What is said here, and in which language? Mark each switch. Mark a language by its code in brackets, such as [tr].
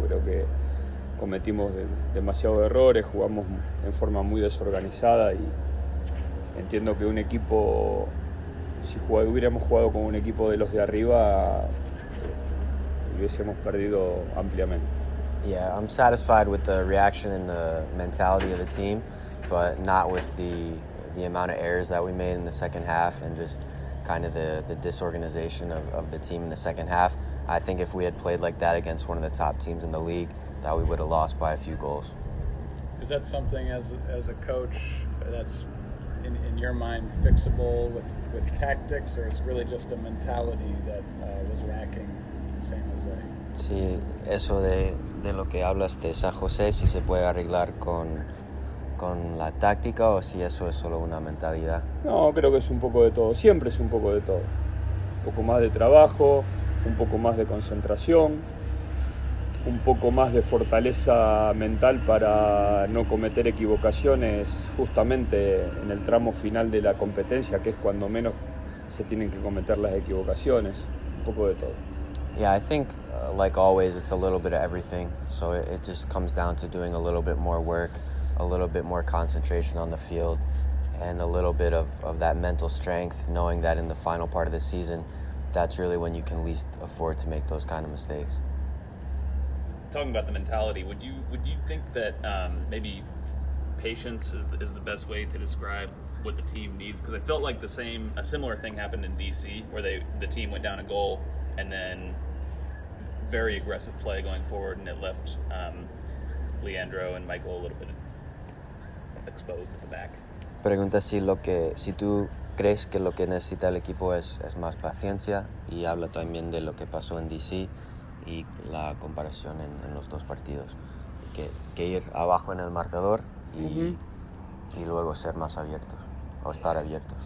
[es] Creo que cometimos demasiados errores, jugamos en forma muy desorganizada y entiendo que un equipo, si hubiéramos jugado con un equipo de los de arriba, hubiésemos perdido ampliamente. [en] Yeah, I'm satisfied with the reaction and the mentality of the team, but not with the amount of errors that we made in the second half and just kind of the disorganization of the team in the second half. I think if we had played like that against one of the top teams in the league, that we would have lost by a few goals. Is that something as a coach that's in your mind fixable with tactics, or is it really just a mentality that was lacking? San Jose. [es] Sí, eso de lo que hablas de San José, si se puede arreglar con la táctica o si eso es solo una mentalidad. No, creo que es un poco de todo. Siempre es un poco de todo. Un poco más de trabajo, un poco más de concentración, un poco más de fortaleza mental para no cometer equivocaciones justamente en el tramo final de la competencia, que es cuando menos se tienen que cometer las equivocaciones. Un poco de todo. [en] Yeah, I think, like always, it's a little bit of everything. So it just comes down to doing a little bit more work, a little bit more concentration on the field, and a little bit of that mental strength, knowing that in the final part of the season, that's really when you can least afford to make those kind of mistakes. Talking about the mentality, would you think that maybe patience is the best way to describe what the team needs? Because I felt like a similar thing happened in DC, where the team went down a goal and then very aggressive play going forward, and it left Leandro and Michael a little bit exposed at the back. [es] Pregunta si tú crees que lo que necesita el equipo es más paciencia, y habla también de lo que pasó en DC. Y la comparación en los dos partidos, que ir abajo en el marcador y, y luego ser más abiertos o estar abiertos.